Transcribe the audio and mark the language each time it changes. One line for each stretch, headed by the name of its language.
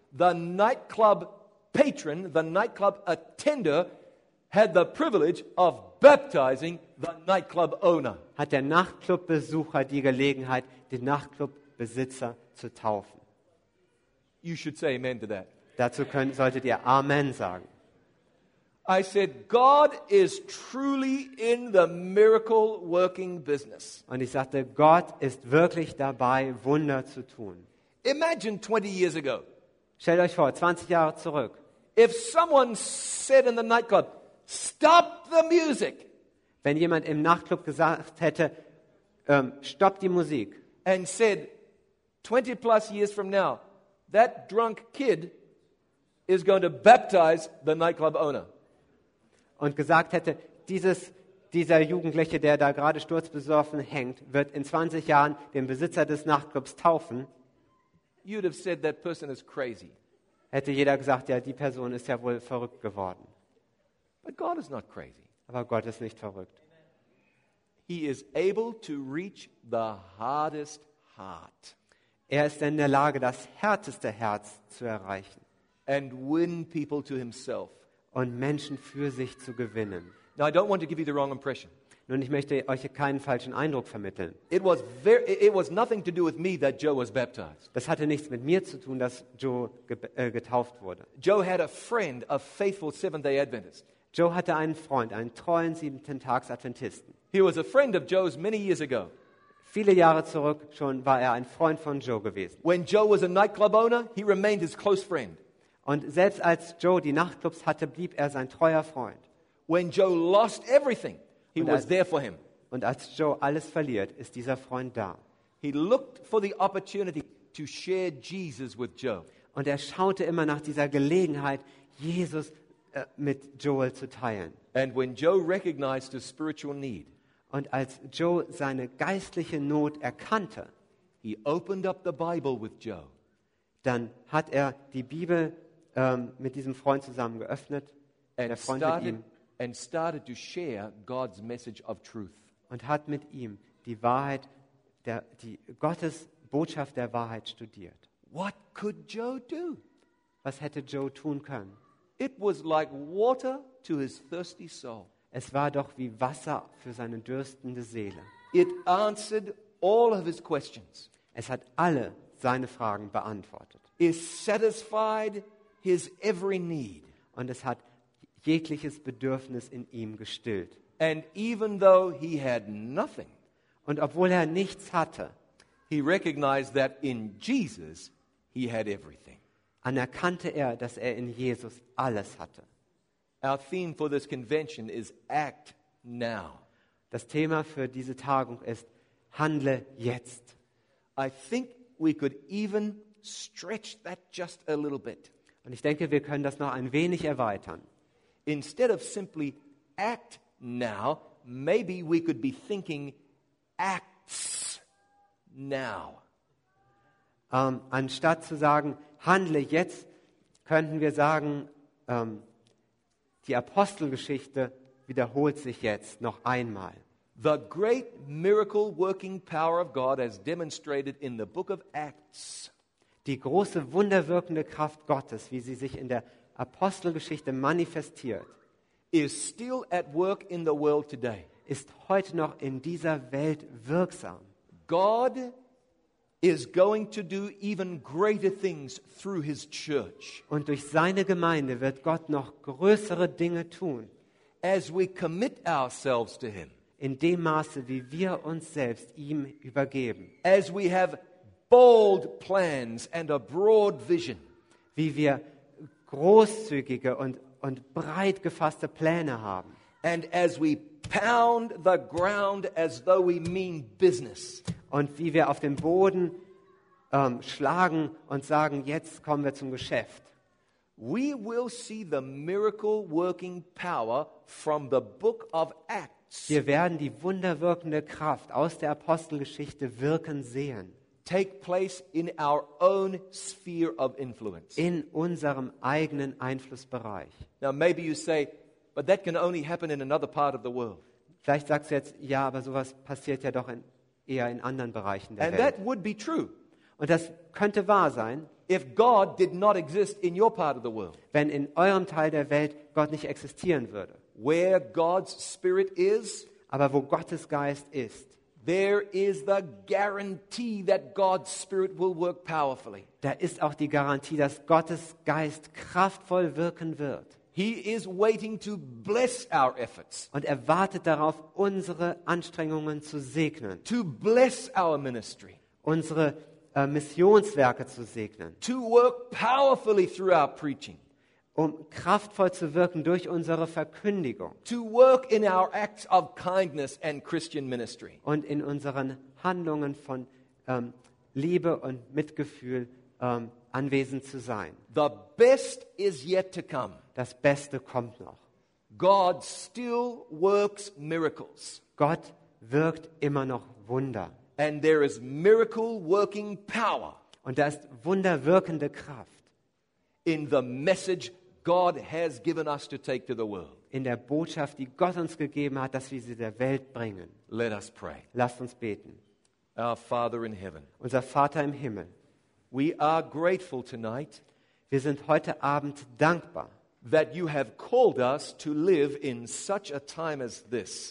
English: the nightclub patron, the nightclub attender, had the privilege of baptizing the nightclub owner.
German: Hat der Nachtclubbesucher die Gelegenheit, den Nachtclubbesitzer zu taufen.
English: You should say amen to that.
German: Dazu solltet ihr Amen sagen.
English: I said, God is truly in the miracle working business.
German: Und ich sagte, Gott ist wirklich dabei, Wunder zu tun.
English: Imagine 20 years ago.
German: Stellt euch vor, 20 Jahre zurück.
English: If someone said in the nightclub, stop the music.
German: Wenn jemand im Nachtclub gesagt hätte, stopp die Musik.
English: And said, 20 plus years from now, that drunk kid is going to baptize the nightclub owner.
German: Und gesagt hätte, dieser Jugendliche, der da gerade sturzbesoffen hängt, wird in 20 Jahren den Besitzer des Nachtclubs taufen.
English: You'd have said that person is crazy.
German: Hätte jeder gesagt, ja, die Person ist ja wohl verrückt geworden.
English: But God is not crazy.
German: Aber Gott ist nicht verrückt.
English: He is able to reach the hardest heart.
German: Er ist in der Lage, das härteste Herz zu erreichen.
English: And win people to himself.
German: Und Menschen für sich zu gewinnen.
English: Now I don't want to give you the wrong impression.
German: Nun, ich möchte euch keinen falschen Eindruck vermitteln.
English: It was nothing to do with me that Joe was baptized.
German: Das hatte nichts mit mir zu tun, dass Joe getauft wurde.
English: Joe had a friend, a faithful Seventh-day Adventist.
German: Joe hatte einen Freund, einen treuen Siebenten-Tags-Adventisten.
English: He was a friend of Joe's many years ago.
German: Viele Jahre zurück schon war er ein Freund von Joe gewesen.
English: When Joe was a nightclub owner, he remained his close friend.
German: Und selbst als Joe die Nachtclubs hatte, blieb er sein treuer Freund.
English: When Joe lost everything, he was there for him.
German: Und als Joe alles verliert, ist dieser Freund da.
English: He looked for the opportunity to share Jesus with Joe.
German: Und er schaute immer nach dieser Gelegenheit, Jesus mit Joel zu teilen.
English: And when Joe recognized his spiritual need,
German: und als Joe seine geistliche Not erkannte,
English: he opened up the Bible with Joe.
German: Dann hat er die Bibel mit diesem Freund zusammen geöffnet.
English: And
German: der Freund mit ihm.
English: And started to share God's message of truth.
German: Und hat mit ihm die Wahrheit die Gottes Botschaft der Wahrheit studiert.
English: What could Joe do?
German: Was hätte Joe tun können?
English: It was like water to his thirsty soul.
German: Es war doch wie Wasser für seine dürstende Seele.
English: It answered all of his questions.
German: Es hat alle seine Fragen beantwortet.
English: It satisfied his every need.
German: Und es hat jegliches Bedürfnis in ihm gestillt.
English: And even though he had nothing,
German: und obwohl er nichts hatte,
English: he recognized that in Jesus he had everything.
German: Anerkannte er, dass er in Jesus alles hatte.
English: Our theme for this convention is act now.
German: Das Thema für diese Tagung ist handle jetzt.
English: I think we could even stretch that just a little bit.
German: Und ich denke, wir können das noch ein wenig erweitern.
English: Instead of simply act now, maybe we could be thinking acts now.
German: Anstatt zu sagen, handle jetzt, könnten wir sagen, die Apostelgeschichte wiederholt sich jetzt noch einmal.
English: The great miracle working power of God as demonstrated in the book of Acts.
German: Die große wunderwirkende Kraft Gottes, wie sie sich in der Apostelgeschichte manifestiert,
English: is still at work in the world today.
German: Ist heute noch in dieser Welt wirksam.
English: God is going to do even greater things through his church.
German: Und durch seine Gemeinde wird Gott noch größere Dinge tun.
English: As we commit ourselves to him.
German: In dem Maße, wie wir uns selbst ihm übergeben.
English: As we have bold plans and a broad vision.
German: Wie wir großzügige und breit gefasste Pläne haben.
English: And as we pound the ground as though we mean business.
German: Und wie wir auf den Boden schlagen und sagen, jetzt kommen wir zum Geschäft.
English: We will see the miracle working power from the book of Acts.
German: Wir werden die wunderwirkende Kraft aus der Apostelgeschichte wirken sehen.
English: Take place in our own sphere of influence.
German: In unserem eigenen Einflussbereich.
English: Now maybe you say, but that can only happen in another part of the world.
German: Vielleicht sagst du jetzt, ja, aber sowas passiert ja doch eher in anderen Bereichen der
English: and
German: Welt.
English: That would be true.
German: Und das könnte wahr sein.
English: If God did not exist in your part of the world.
German: Wenn in eurem Teil der Welt Gott nicht existieren würde.
English: Where God's spirit is,
German: aber wo Gottes Geist ist.
English: There is the guarantee that God's spirit will work powerfully.
German: Da ist auch die Garantie, dass Gottes Geist kraftvoll wirken wird.
English: He is waiting to bless our efforts.
German: Und er wartet darauf, unsere Anstrengungen zu segnen.
English: To bless our ministry.
German: Unsere Missionswerke zu segnen.
English: To work powerfully through our preaching.
German: Um kraftvoll zu wirken durch unsere Verkündigung.
English: To work in our acts of kindness and Christian ministry.
German: Und in unseren Handlungen von Liebe und Mitgefühl anwesend zu sein.
English: The best is yet to come.
German: Das Beste kommt noch.
English: God still works miracles.
German: Gott wirkt immer noch Wunder.
English: And there is miracle working power.
German: Und da ist wunderwirkende Kraft.
English: In the message God has given us to take to the world.
German: In der Botschaft, die Gott uns gegeben hat, dass wir sie der Welt bringen.
English: Let us pray.
German: Lasst uns beten.
English: Our Father in heaven.
German: Unser Vater im Himmel.
English: We are grateful tonight.
German: Wir sind heute Abend dankbar.
English: That you have called us to live in such a time as this.